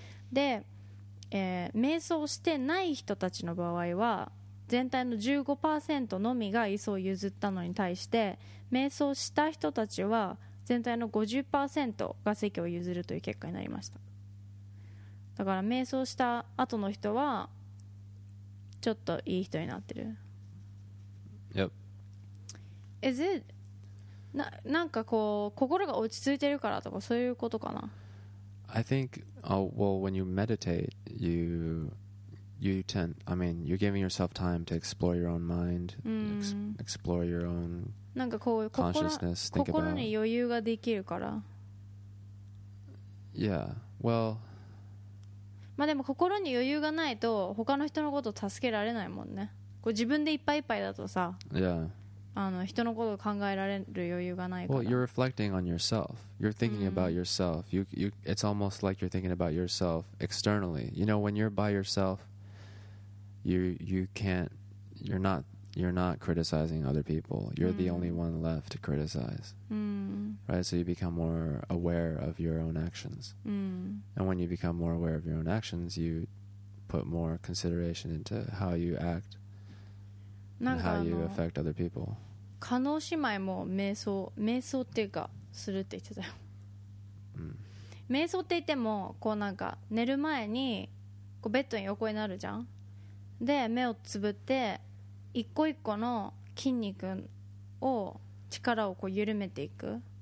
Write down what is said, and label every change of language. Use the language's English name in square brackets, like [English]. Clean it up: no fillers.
[Japanese] で、瞑想してない人たちの場合は全体の 15% のみが椅子を譲ったのに対して、瞑想した人たちは全体の 50% が席を譲るという結果になりました。だから瞑想した後の人はちょっといい人になってる。 [English] Yep. Is it [Japanese] なんかこう心が落ち着いてるからとかそういうことかな。 [English] I think, well, when you meditate, you're giving yourself time to explore your own mind, explore your own consciousness, think about. [Japanese] 心に余裕ができるから。 [English] Yeah, well. [Japanese] まあでも心に余裕がないと他の人のことを助けられないもんね。こう自分でいっぱいいっぱいだとさ、 [English] yeah. [Japanese] あの人のことを考えられる余裕がないから。 [English] Well, you're reflecting on yourself. You're thinking about yourself. You, it's almost like you're thinking about yourself externally. You know, when you're by yourself. You're not criticizing other people. You're the only one left to criticize. Right? So you become more aware of your own actions. And when you become more aware of your own actions, you put more consideration into how you act and how you affect other people. [Japanese] カノー姉妹も瞑想っていうかするって言ってたよ。瞑想って言ってもこうなんか寝る前にこうベッドに横になるじゃん。で目をつぶって一個一個の筋肉を力をこう緩めていく。